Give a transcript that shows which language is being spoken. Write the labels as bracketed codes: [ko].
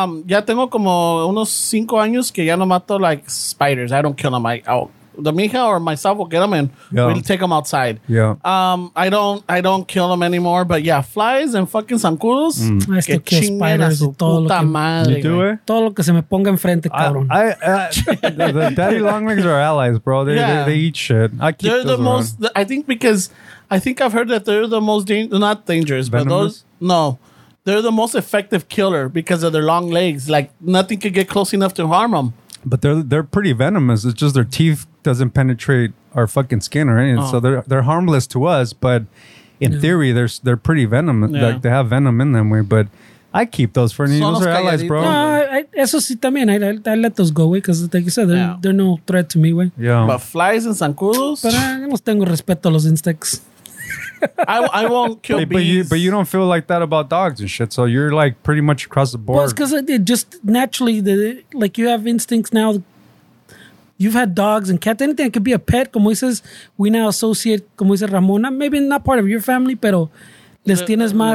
[es] Ya tengo como unos 5 años que ya no mato [en] like spiders. I don't kill them. The mija or myself will get them and we'll take them outside. Yeah. I don't kill them anymore. But yeah, flies and fucking zancudos. Mm. I still kill spiders. [es] Puta madre. [en] You do it? [es] Todo lo que se me ponga enfrente, cabrón. [en] the daddy longlegs are allies, bro. They eat shit. I think I've heard that they're the most dangerous. Venomous? But those, no. They're the most effective killer because of their long legs. Like, nothing could get close enough to harm them. But they're pretty venomous. It's just their teeth doesn't penetrate our fucking skin or anything. Oh. So they're harmless to us. But in theory, they're pretty venomous. Yeah. They have venom in them. But I keep those for me. Those are allies, bro. [es] No, eso sí también. [en] I let those go, away because like you said, they're no threat to me, güey. Yeah. But flies and zancudos? [es] Pero yo no tengo respeto a los insectos. [en] I won't kill bees. But you don't feel like that about dogs and shit. So you're like pretty much across the board. Well, it's because it just naturally, like you have instincts now. You've had dogs and cats. Anything that could be a pet, [es] como dices, [en] we now associate, [es] como dice Ramona, [en] maybe not part of your family, [es] pero les tienes más.